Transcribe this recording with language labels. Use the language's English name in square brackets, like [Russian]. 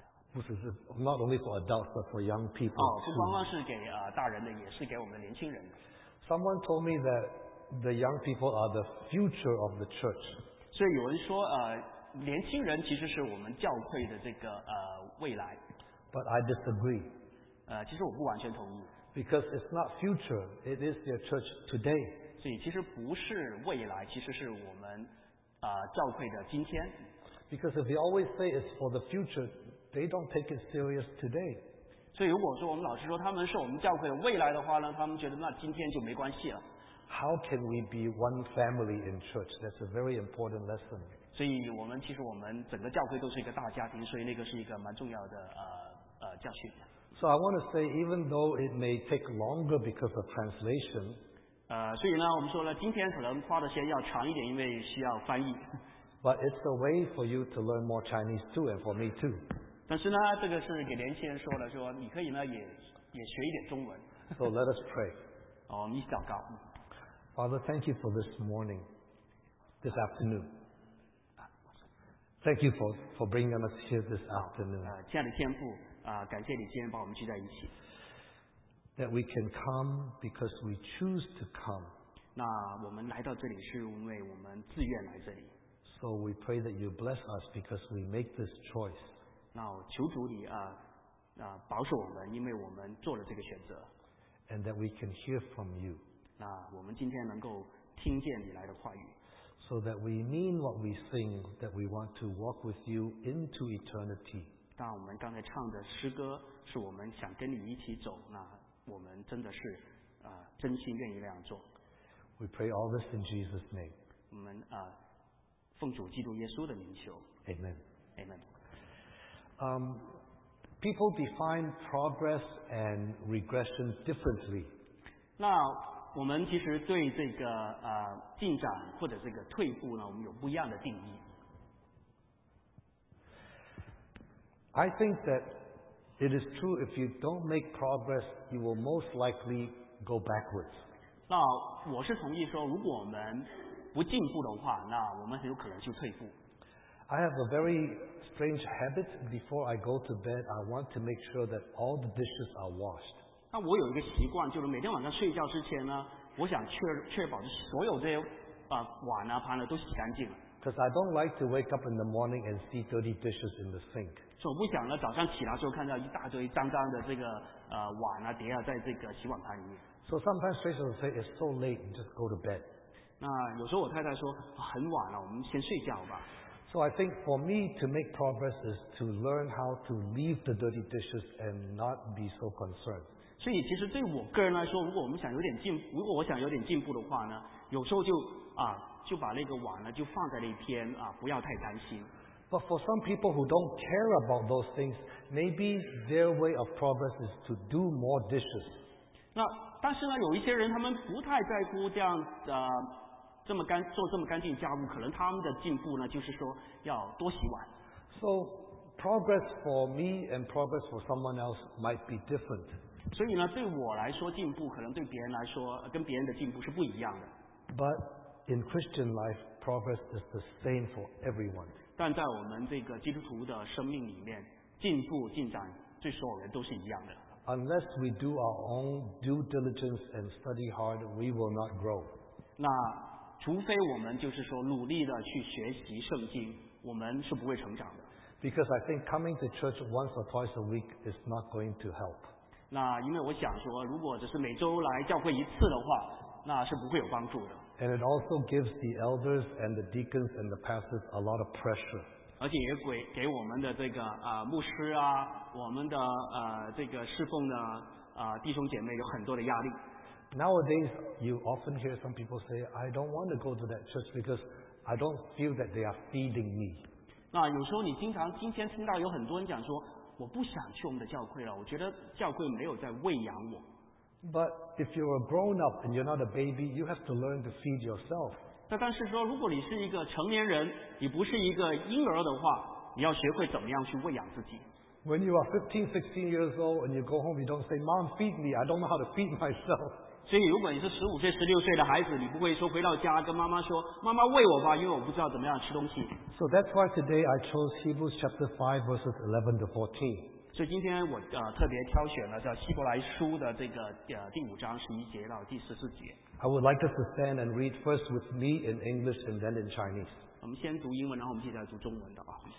[Chinese] 不是是 [English] not only for adults but for young people. [Chinese] 不光光是给大人的，也是给我们的年轻人。 [English] Someone told me that the young people are the future of the church. [Chinese] 所以有人说年轻人其实是我们教会的这个未来。 [English] But I disagree. [Chinese] 其实我不完全同意。 [English] Because it's not future, it is their church today. [Chinese] 所以其实不是未来，其实是我们教会的今天。 [English] Because if they always say it's for the future, they don't take it serious today. [Chinese] 所以如果说我们老师说他们是我们教会的未来的话呢，他们觉得那今天就没关系了。 [English] How can we be one family in church? That's a very important lesson. [Chinese] 所以我们其实我们整个教会都是一个大家庭，所以那个是一个蛮重要的教训。 [English] So I want to say, even though it may take longer because of translation, [Chinese] 所以呢，我们说了，今天可能花的时间要长一点，因为需要翻译。 [English] But it's a way for you to learn more Chinese too, and for me too. [Chinese] 但是呢，这个是给年轻人说的，说你可以呢也学一点中文。 [English] So let us pray. [Chinese] 我们一起祷告。 [English] Father, thank you for this morning, this afternoon. Thank you for bringing us here this afternoon. [Chinese] 亲爱的天父。感谢你今天把我们聚在一起。 [English] That we can come because we choose to come. [Chinese] 那我们来到这里是因为我们自愿来这里。 [English] So we pray that you bless us because we make this choice. [Chinese] 那求主你保守我们，因为我们做了这个选择。 [English] And that we can hear from you. [Chinese] 那我们今天能够听见你来的话语。 [English] So that we mean what we sing, that we want to walk with you into eternity. [Chinese] 当我们刚才唱的诗歌是我们想跟你一起走，那我们真的是真心愿意这样做。 [English] We pray all this in Jesus' name. [Chinese] 我们奉主基督耶稣的名求。 [English] Amen. Amen. People define progress and regression differently. [Chinese] 那我们其实对这个进展或者这个退步呢，我们有不一样的定义。 [English] I think that it is true if you don't make progress, you will most likely go backwards. [Chinese] 那我是同意说，如果我们不进步的话，那我们很有可能就退步。 [English] I have a very strange habit. Before I go to bed, I want to make sure that all the dishes are washed. [Chinese] 那我有一个习惯，就是每天晚上睡觉之前呢，我想确保所有这些碗啊盘呢都洗干净了。 [English] Because I don't like to wake up in the morning and see dirty dishes in the sink. [Chinese] 所以我不想呢，早上起来的时候看到一大堆脏脏的这个碗啊碟啊在这个洗碗盘里面。 [English] So sometimes Tracy will say it's so late, you just go to bed. [Chinese] 那有时候我太太说很晚了，我们先睡觉吧。 [English] So I think for me to make progress is to learn how to leave the dirty dishes and not be so concerned. [Chinese] 所以其实对我个人来说，如果我们想有点进，如果我想有点进步的话呢，有时候就啊就把那个碗呢就放在那边啊，不要太担心。 [English] But for some people who don't care about those things, maybe their way of progress is to do more dishes. [Chinese] 那但是呢，有一些人他们不太在乎这样的。这么干做这么干净家务，可能他们的进步呢，就是说要多洗碗。 [English] So progress for me and progress for someone else might be different. [Chinese] 所以呢，对我来说进步，可能对别人来说跟别人的进步是不一样的。 [English] But in Christian life, progress is the same for everyone. [Chinese] 但在我们这个基督徒的生命里面，进步进展对所有人都是一样的。 [English] Unless we do our own due diligence and study hard, we will not grow. [Chinese] 那除非我们就是说努力的去学习圣经，我们是不会成长的。 [English] Because I think coming to church once or twice a week is not going to help. [Chinese] 那因为我想说，如果只是每周来教会一次的话，那是不会有帮助的。 [English] And it also gives the elders and the deacons and the pastors a lot of pressure. [Chinese] 而且也给我们的这个牧师啊，我们的这个侍奉的弟兄姐妹有很多的压力。 [English] Nowadays, you often hear some people say, I don't want to go to that church because I don't feel that they are feeding me. [Chinese] 那有时候你经常今天听到有很多人讲说，我不想去我们的教会了，我觉得教会没有在喂养我。 [English] But if you are grown up and you're not a baby, you have to learn to feed yourself. [Chinese] 但是说如果你是一个成年人，你不是一个婴儿的话，你要学会怎么样去喂养自己。 [English] When you are 15, 16 years old and you go home, you don't say, Mom, feed me, I don't know how to feed myself. [Chinese] 所以如果你是15岁、16岁的孩子，你不会说回到家跟妈妈说，妈妈喂我吧，因为我不知道怎么样吃东西。 [English] So that's why today I chose Hebrews chapter 5 verses 11 to 14. [Chinese] 所以今天我特别挑选了叫希伯来书的这个第五章十一节到第十四节。 [English] I would like us to stand and read first with me in English and then in Chinese. [Chinese] 我们先读英文，然后我们接下来读中文的啊。